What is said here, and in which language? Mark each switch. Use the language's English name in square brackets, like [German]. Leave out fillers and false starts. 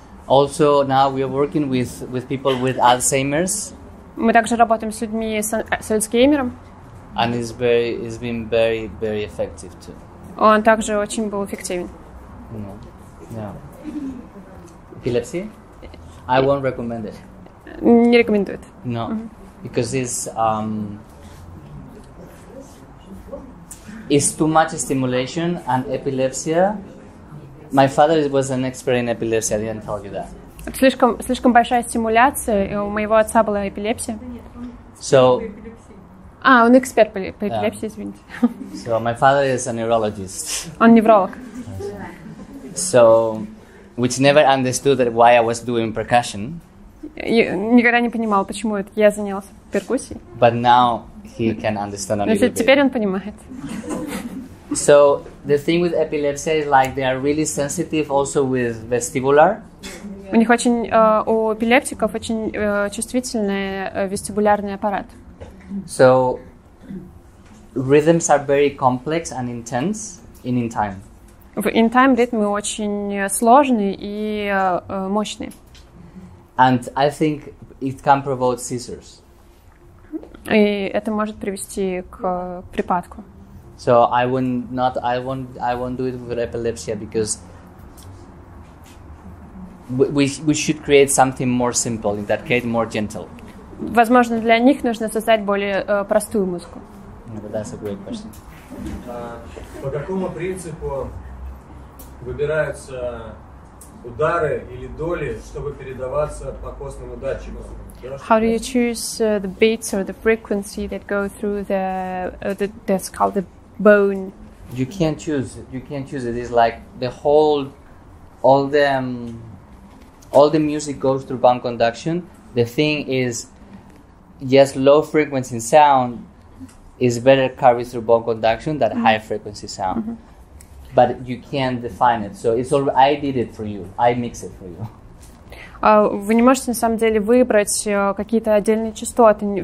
[English] Also, now we are working with people with Alzheimer's. [Russian] Мы также работаем с людьми с Альцгеймером. [English] And it's been very, very effective too. [Russian] Он также очень был эффективен. [English] No. Yeah. Epilepsy? I won't recommend it. [Russian] Не рекомендует. [English] No. Mm-hmm. Because this is too much stimulation and epilepsy. My father was an expert in epilepsy. I didn't tell you that. [Russian] Слишком большая стимуляция, и у моего отца была эпилепсия. [English] So. [Russian] А, он эксперт по эпилепсии, yeah. Извините. [English] So my father is a neurologist. [Russian] Он невролог. Yes. [English] So, which never understood that why I was doing percussion. [Russian] Я никогда не понимал, почему это я занялся перкуссией. [English] But now he can understand a little bit. [Russian] Теперь он понимает. [English] So the thing with epilepsy is like they are really sensitive also with vestibular. [Russian] У них очень у эпилептиков очень чувствительный вестибулярный аппарат. [English] So rhythms are very complex and intense in time. [Russian] В in time ритмы очень сложные и мощные. [English] And I think it can provoke seizures. [Russian] И это может привести к припадку. [English] So I would not, I won't do it with epilepsy because we should create something more simple in that case, more gentle. [Russian] Возможно, для них нужно создать более простую музыку. [English] But that's a great question. [Russian] По какому принципу выбираются удары или доли, чтобы передаваться по костному датчику? [English] How do you choose the beats or the frequency that go through the that's called the bone? You can't choose it. It's like the whole, all the music goes through bone conduction. The thing is, yes, low frequency sound is better carried through bone conduction than mm-hmm. high frequency sound. Mm-hmm. But you can't define it. So it's all I did it for you. I mix it for you. [Russian] Вы не можете на самом деле выбрать какие-то отдельные частоты.